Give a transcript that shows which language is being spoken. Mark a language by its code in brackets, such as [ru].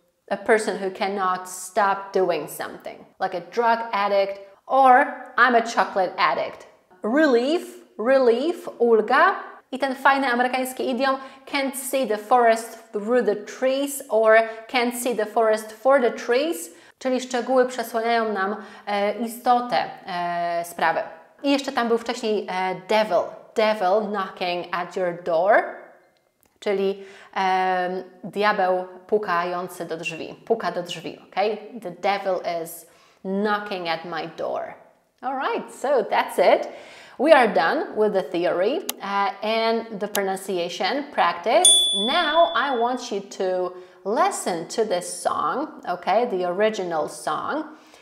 [en] A person who cannot stop doing something. Like a drug addict. Or I'm a chocolate addict. [pl] Relief. Ulga. I ten fajny amerykański idiom, [en] can't see the forest through the trees [pl] or can't see the forest for the trees, czyli szczegóły przesłaniają nam istotę sprawy. I jeszcze tam był wcześniej [en] devil knocking at your door, [pl] czyli diabeł pukający do drzwi, puka do drzwi, ok? [en] The devil is knocking at my door. All right, so that's it. We are done with the theory and the pronunciation practice. Now I want you to listen to this song, okay, the original song.